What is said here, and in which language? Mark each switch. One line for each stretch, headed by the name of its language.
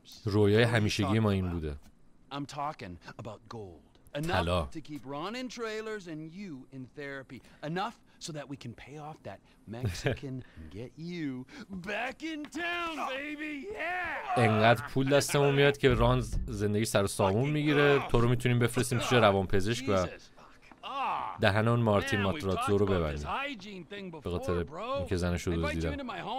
Persian: رویای همیشگی ما این بوده.
English: I'm talking about gold. Enough to keep Ron in trailers and you in therapy. Enough so that we can pay off that Mexican get you back in town baby. Yeah.
Persian: انقدر پول دستمون میاد که ران زندگی سر سامون میگیره، تو رو میتونیم بفرستیم پیش روانپزشک و دهن اون مارتین ماتراتزو رو ببندیم به خاطر اینکه زنش رو دزدیدم.